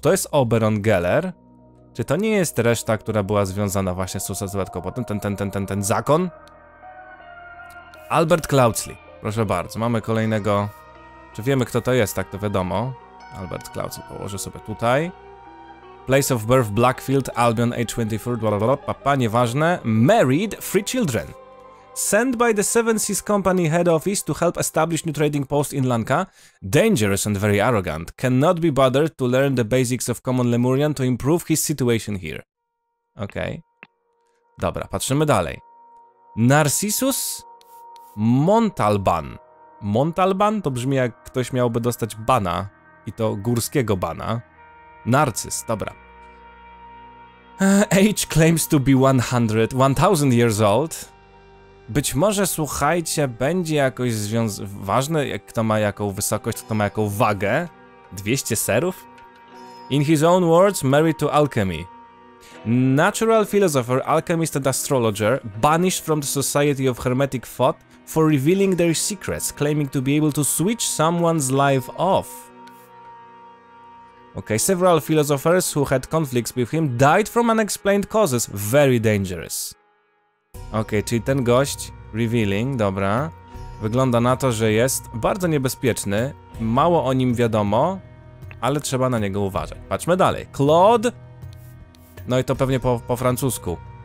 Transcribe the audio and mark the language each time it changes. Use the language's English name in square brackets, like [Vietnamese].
[Polish] To jest Oberon Geller. Czy to nie jest reszta, która była związana właśnie z Susa, potem ten zakon? Albert Cloudsley. Proszę bardzo, mamy kolejnego... Czy wiemy, kto to jest, tak to wiadomo. Albert Cloudsley położę sobie tutaj. [English] Place of birth Blackfield, Albion, age 24, papa, [Polish] nieważne. [English] Married, three children. Sent by the Seven Seas Company head office to help establish new trading post in Lanka. Dangerous and very arrogant. Cannot be bothered to learn the basics of common Lemurian to improve his situation here. [Polish] Okej. Okay. Dobra, patrzymy dalej. Narcissus Montalban. Montalban to brzmi jak ktoś miałby dostać bana. I to górskiego bana. Narcys, dobra. [English] Age claims to be 1000 years old. [Polish] Być może, słuchajcie, będzie jakoś ważne, jak kto ma jaką wysokość, kto ma jaką wagę. 200 serów? [English] In his own words, married to alchemy. Natural philosopher, alchemist and astrologer, banished from the society of hermetic thought for revealing their secrets, claiming to be able to switch someone's life off. Okay, several philosophers who had conflicts with him died from unexplained causes. Very dangerous. [Polish] Okej, okay, czyli ten gość, revealing, dobra, wygląda na to, że jest bardzo niebezpieczny, mało o nim wiadomo, ale trzeba na niego uważać. Patrzmy dalej. Claude, no i to pewnie po francusku.